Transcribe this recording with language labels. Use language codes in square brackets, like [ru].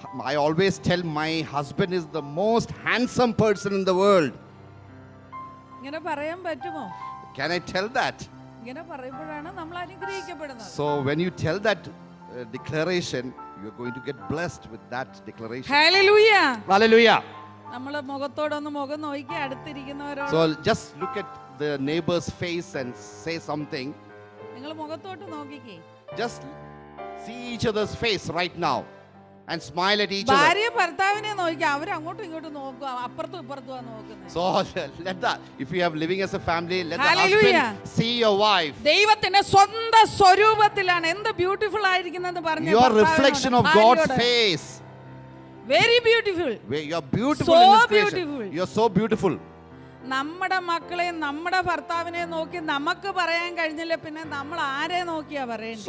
[en] I always tell my husband is the most handsome person in the world. [ml] ഇങ്ങനെ പറയാൻ പറ്റുമോ? [en] Can I tell that? [ml] ഇങ്ങനെ പറയുമ്പോഴാണ് നമ്മൾ അനുഗ്രഹിക്കപ്പെടുന്നത്. [en] So when you tell that declaration, you are going to get blessed with that declaration. Hallelujah. Hallelujah. [ml] നമ്മൾ മുഖത്തോടൊന്ന് മുഖം നോക്കി അടുത്തിരിക്കുന്നവരോട്. [en] So just look at the neighbor's face and say something. [ml] നിങ്ങളെ മുഖത്തോട്ട് നോക്കിക്കേ. [en] Just see each other's face right now and smile at each other. [ml] ഭാര്യ ഭർത്താവിനെ നോക്കി, അവർ അങ്ങോട്ടും ഇങ്ങോട്ടും നോക്കുക, അപ്പുറത്തും ഇപ്പുറത്തും നോക്കുന്നു. [en] So let that, if you have living as a family, let the husband see your wife. [ml] ദൈവത്തിന്റെ സ്വന്ത സ്വരൂപത്തിലാണ് എന്ത് ബ്യൂട്ടിഫുൾ ആയിരിക്കുന്നെന്ന് പറഞ്ഞു. [en] Your reflection of God's face. Very beautiful. You are beautiful. So in this beautiful. You are so beautiful. [ml] നമ്മുടെ മക്കളെയും നമ്മുടെ ഭർത്താവിനെയും നോക്കി നമുക്ക് പറയാൻ കഴിഞ്ഞില്ല പിന്നെ നമ്മൾ ആരെ നോക്കിയാ പറയണ്ടേ